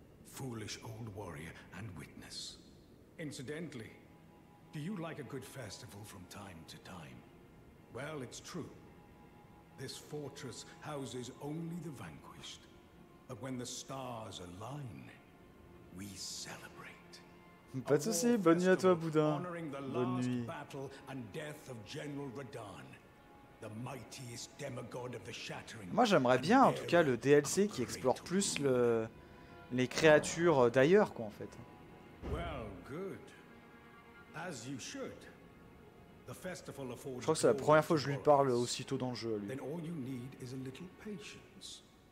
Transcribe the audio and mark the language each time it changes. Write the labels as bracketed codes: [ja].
[en] Foolish old warrior and witness. Incidentally, do you like a good festival from time to time? Well, it's true. This fortress houses only the vanquished. But when the stars align, we celebrate. [fr] Pas de soucis, bonne nuit à toi, Boudin. Bonne nuit. [en] Battle and death of General Radahn, the mightiest demigod of the Shattering. [fr] Moi, j'aimerais bien, en tout cas, le DLC qui explore plus le... les créatures d'ailleurs, quoi, en fait. [en] Well, good. As you should. The festival affords. [fr] Je crois que c'est la première fois que je lui parle aussitôt dans le jeu, lui. [en] Then all you need is a little patience.